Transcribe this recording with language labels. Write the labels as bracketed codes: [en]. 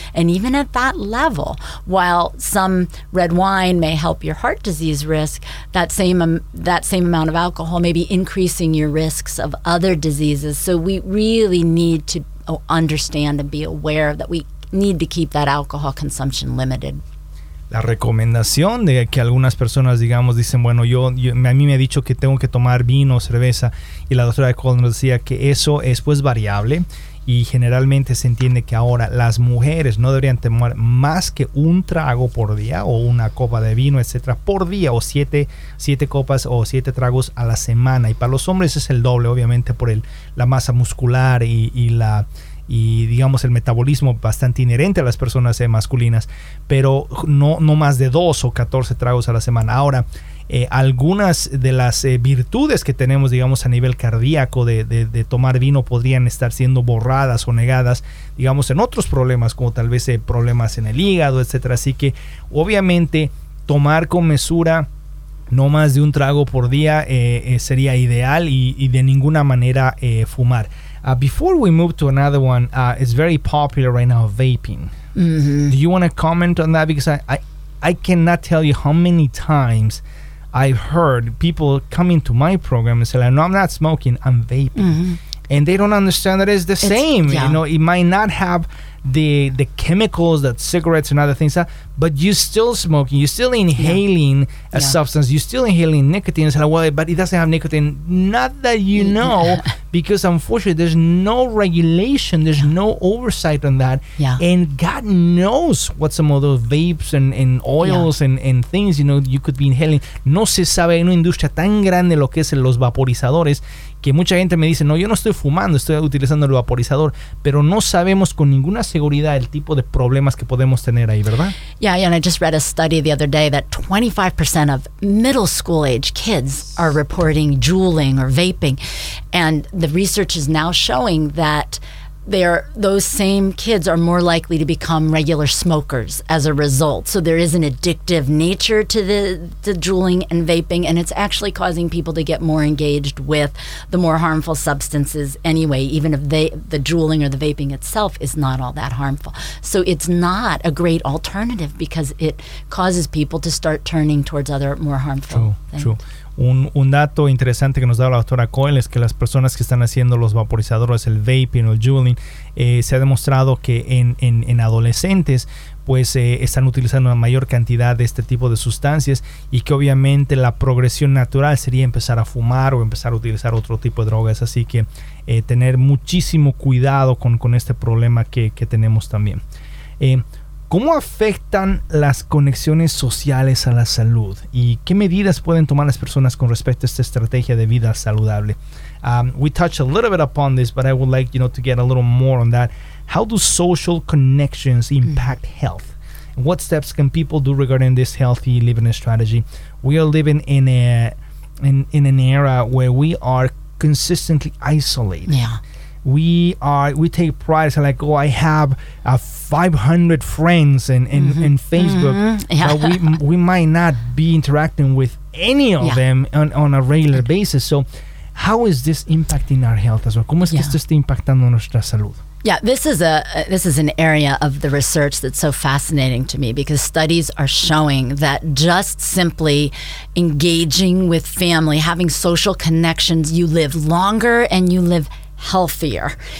[en] And even at that level, while some red wine may help your heart disease risk, that same amount of alcohol may be increasing your risks of other diseases. So we really need to understand and be aware that we need to keep that alcohol consumption limited. [es] La recomendación de que algunas personas, digamos, dicen, bueno, a mí me ha dicho que tengo que tomar vino o cerveza, y la doctora Cole nos decía que eso es pues variable, y generalmente se entiende que ahora las mujeres no deberían tomar más que un trago por día o una copa de vino, etcétera, por día, o siete copas o siete tragos a la semana, y para los hombres es el doble, obviamente, por la masa muscular y la y digamos el metabolismo bastante inherente a las personas masculinas, pero no más de 2 o 14 tragos a la semana. Ahora, algunas de las virtudes que tenemos, digamos, a nivel cardíaco de tomar vino podrían estar siendo borradas o negadas, digamos, en otros problemas, como tal vez problemas en el hígado, etcétera. Así que, obviamente, tomar con mesura no más de un trago por día sería ideal, y de ninguna manera fumar. [en] Before we move to another one, it's very popular right now, vaping. Mm-hmm. Do you want to comment on that? Because I cannot tell you how many times I've heard people come into my program and say, no, I'm not smoking, I'm vaping. Mm-hmm. And they don't understand that it's same. Yeah. You know, it might not have the chemicals that cigarettes and other things have, but you're still smoking, you're still inhaling substance, you're still inhaling nicotine. It's like, well, but it doesn't have nicotine. Not that you know, because unfortunately there's no regulation, there's no oversight on that. Yeah. And God knows what some of those vapes and oils and things, you know, you could be inhaling. [es] No se sabe, hay una industria tan grande lo que es los vaporizadores, que mucha gente me dice, no, yo no estoy fumando, estoy utilizando el vaporizador, pero no sabemos con ninguna seguridad el tipo de problemas que podemos tener ahí, ¿verdad? [en] Yeah, and I just read a study the other day that 25% of middle school age kids are reporting juuling or vaping. And the research is now showing that those same kids are more likely to become regular smokers as a result. So there is an addictive nature to the juuling and vaping, and it's actually causing people to get more engaged with the more harmful substances anyway, even if the juuling or the vaping itself is not all that harmful. So it's not a great alternative because it causes people to start turning towards other more harmful things. True. [es] Un dato interesante que nos da la doctora Coyle es que las personas que están haciendo los vaporizadores, el vaping o el juuling, se ha demostrado que en adolescentes pues están utilizando una mayor cantidad de este tipo de sustancias, y que obviamente la progresión natural sería empezar a fumar o empezar a utilizar otro tipo de drogas. Así que tener muchísimo cuidado con este problema que tenemos también. ¿Cómo afectan las conexiones sociales a la salud? ¿Y qué medidas pueden tomar las personas con respecto a esta estrategia de vida saludable? [en] We touched a little bit upon this, but I would like, you know, to get a little more on that. How do social connections impact health? What steps can people do regarding this healthy living strategy? We are living in an era where we are consistently isolated. Yeah. We take pride, so like, I have 500 friends in mm-hmm. Facebook, mm-hmm. Yeah. But we might not be interacting with any of them on a regular basis. So how is this impacting our health as well? [es] ¿Cómo es que esto está impactando nuestra salud? [en] Yeah, this is an area of the research that's so fascinating to me, because studies are showing that just simply engaging with family, having social connections, you live longer and you live healthier.